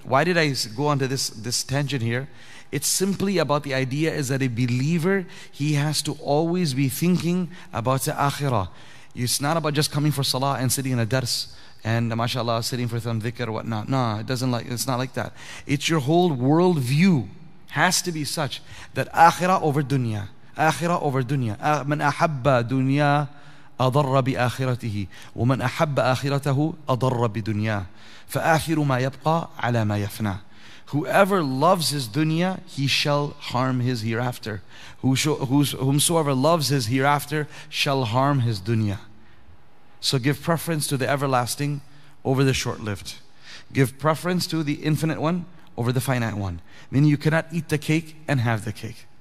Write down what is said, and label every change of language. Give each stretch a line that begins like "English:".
English: Why did I go onto this tangent here? It's simply about the idea is that a believer, he has to always be thinking about the akhirah. It's not about just coming for salah and sitting in a dars and mashallah sitting for some dhikr or whatnot. No, it's not like that. It's your whole world view has to be such that akhirah over dunya. Akhirah over dunya.
Arabic: من أحب دنيا أضر بآخرته ومن أحب آخرته أضر بدنيا فآخر ما يبقى على ما يفنى.
English: Whoever loves his dunya, he shall harm his hereafter. Whomsoever loves his hereafter shall harm his dunya. So give preference to the everlasting over the short-lived. Give preference to the infinite one over the finite one. Meaning you cannot eat the cake and have the cake.